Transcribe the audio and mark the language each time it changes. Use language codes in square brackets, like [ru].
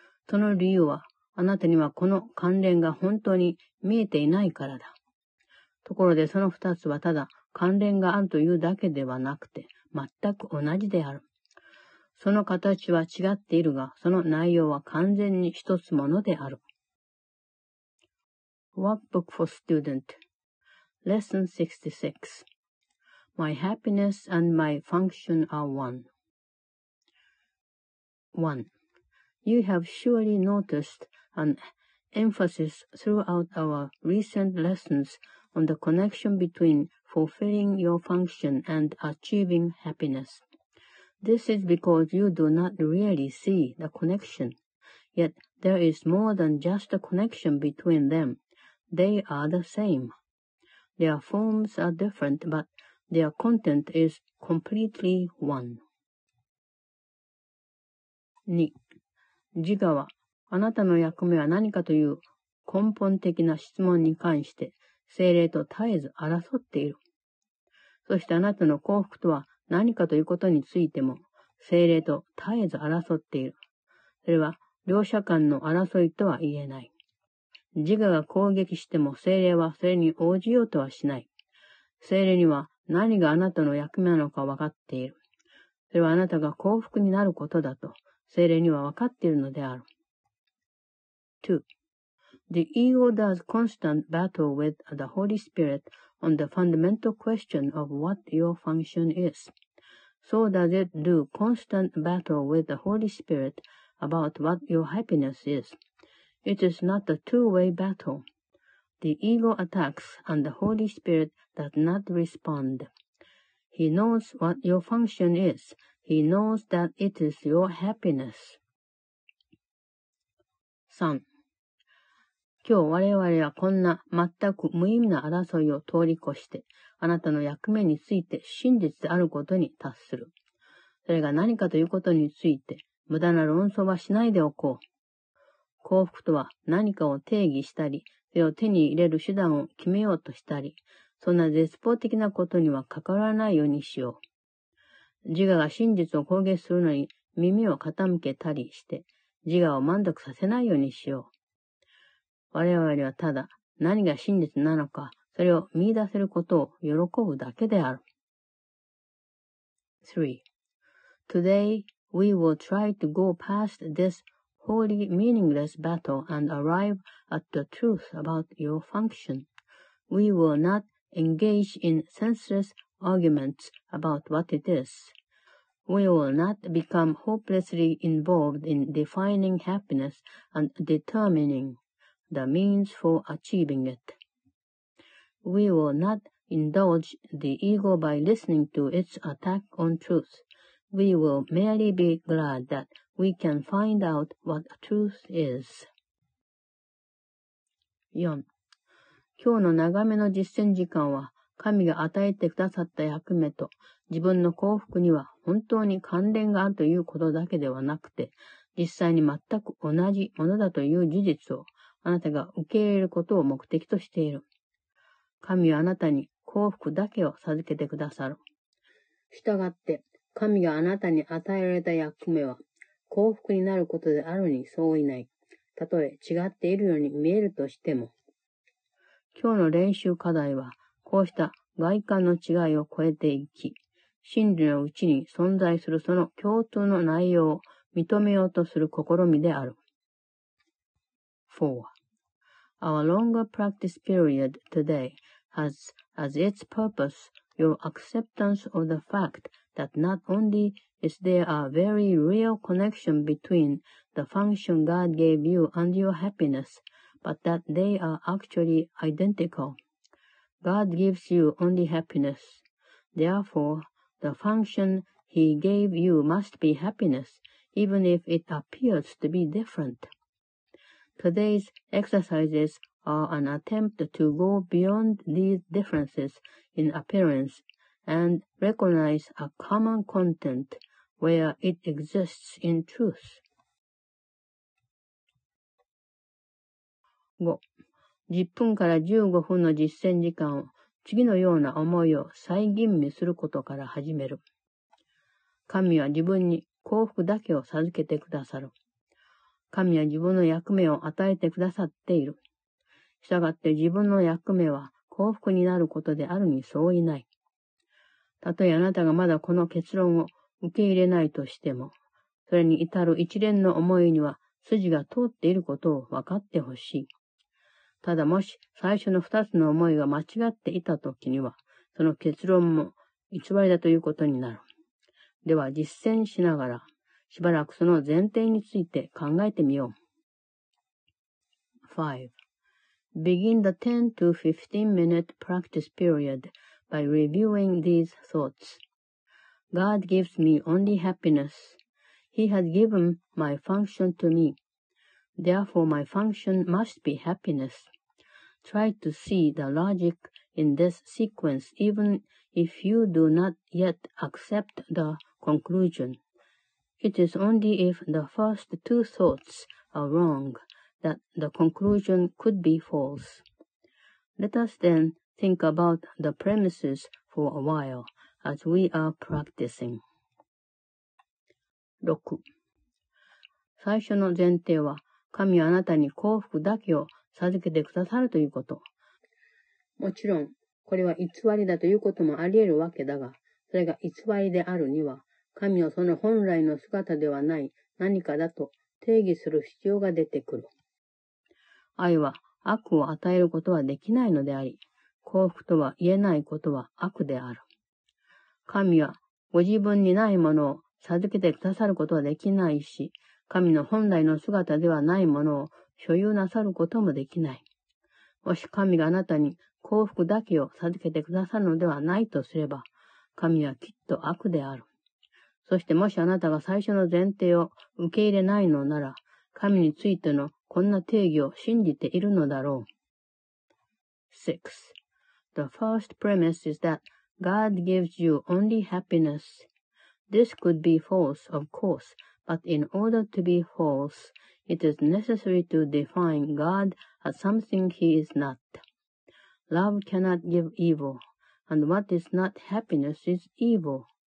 [ja] その理由はあなたにはこの関連が本当に見えていないからだ。ところでその二つはただ関連があるというだけではなくて全く同じである。その形は違っているが、その内容は完全に一つものである。 [en] Workbook for Student Lesson 66 My happiness and my function are one. 1. You have surely noticed an emphasis throughout our recent lessons on the connection between fulfilling your function and achieving happiness. This is because you do not really see the connection. Yet there is more than just a connection between them. They are the same. Their forms are different, but their content is completely one. 2. [ja] 自我は、あなたの役目は何かという根本的な質問に関して、精霊と絶えず争っている。そしてあなたの幸福とは何かということについても、精霊と絶えず争っている。それは両者間の争いとは言えない。自我が攻撃しても精霊はそれに応じようとはしない。精霊には何があなたの役目なのか分かっている。それはあなたが幸福になることだと精霊には分かっているのである。 2. [en] The ego does constant battle with the Holy Spirit on the fundamental question of what your function is. So does it do constant battle with the Holy Spirit about what your happiness is. It is not a two-way battle. The ego attacks and the Holy Spirit does not respond. He knows what your function is. He knows that it is your happiness. 3. [ja] 今日我々はこんな全く無意味な争いを通り越して、あなたの役目について真実であることに達する。それが何かということについて、無駄な論争はしないでおこう。幸福とは何かを定義したり、それを手に入れる手段を決めようとしたり、そんな絶望的なことには関わらないようにしよう。自我が真実を攻撃するのに耳を傾けたりして、自我を満足させないようにしよう。我々はただ何が真実なのか、それを見出せることを喜ぶだけである。 3. [en] Today, we will try to go past this wholly meaningless battle and arrive at the truth about your function. We will not engage in senseless arguments about what it is. We will not become hopelessly involved in defining happiness and determining. The means for achieving it. We will not indulge the ego by listening to its attack on truth. We will merely be glad that we can find out what truth is. 4. [ja] 今日の長めの実践時間は、神が与えてくださった役目と自分の幸福には本当に関連があるということだけではなくて、実際に全く同じものだという事実をあなたが受け入れることを目的としている。神はあなたに幸福だけを授けてくださる。したがって、神があなたに与えられた役目は幸福になることであるに相違ない。たとえ違っているように見えるとしても。今日の練習課題は、こうした外観の違いを超えていき、真理のうちに存在するその共通の内容を認めようとする試みである。 [en] Our longer practice period today has as its purpose your acceptance of the fact that not only is there a very real connection between the function God gave you and your happiness, but that they are actually identical. God gives you only happiness. Therefore, the function He gave you must be happiness, even if it appears to be different.Today's exercises are an attempt to go beyond these differences in appearance and recognize a common content where it exists in truth. 5. [ja] 10分から15分の実践時間を次のような思いを再吟味することから始める。神は自分に幸福だけを授けてくださる。神は自分の役目を与えてくださっている。したがって自分の役目は幸福になることであるに相違ない。たとえあなたがまだこの結論を受け入れないとしても、それに至る一連の思いには筋が通っていることを分かってほしい。ただもし最初の二つの思いが間違っていたときには、その結論も偽りだということになる。では実践しながら、しばらくその前提について考えてみよう。 5. [en] Begin the 10 to 15 minute practice period by reviewing these thoughts. God gives me only happiness. He has given my function to me. Therefore, my function must be happiness. Try to see the logic in this sequence even if you do not yet accept the conclusion. It is only if the first two thoughts are wrong that the conclusion could be false. Let us then think about the premises for a while as we are practicing. 6. [ja] 最初の前提は神はあなたに幸福だけを授けてくださるということ。もちろん、これは偽りだということもあり得るわけだが、それが偽りであるには、神をその本来の姿ではない何かだと定義する必要が出てくる。愛は悪を与えることはできないのであり、幸福とは言えないことは悪である。神はご自分にないものを授けてくださることはできないし、神の本来の姿ではないものを所有なさることもできない。もし神があなたに幸福だけを授けてくださるのではないとすれば、神はきっと悪である。そしてもしあなたが最初の前提を受け入れないのなら、神についてのこんな定義を信じているのだろう。 6. [en] The first premise is that God gives you only happiness. This could be false, of course. But in order to be false, it is necessary to define God as something he is not. Love cannot give evil, and what is not happiness is evil.